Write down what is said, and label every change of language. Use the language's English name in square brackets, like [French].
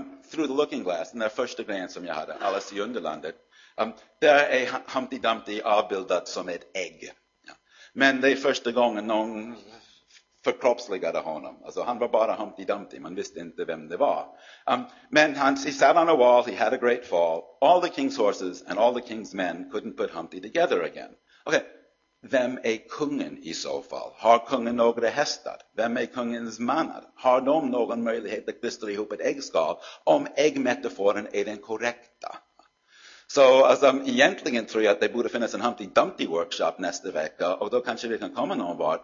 [Swedish] Through the Looking Glass, den där första grejen som jag hade, Alice i Underlandet. Där är Humpty Dumpty avbildat som ett ägg. Ja. Men det är första gången någon förkroppsligade honom. Alltså, han var bara Humpty Dumpty, man visste inte vem det var. Men [English] he sat on a wall, he had a great fall. All the king's horses and all the king's men couldn't put Humpty together again. [Swedish] Okay. Vem är kungen i så fall? Har kungen några hästar? Vem är kungens mannar? Har de någon möjlighet att klistra ihop ett äggskal om äggmetaforen är den korrekta? Så alltså, egentligen tror jag att det borde finnas en Humpty Dumpty workshop nästa vecka, och då kanske vi kan komma någon vart.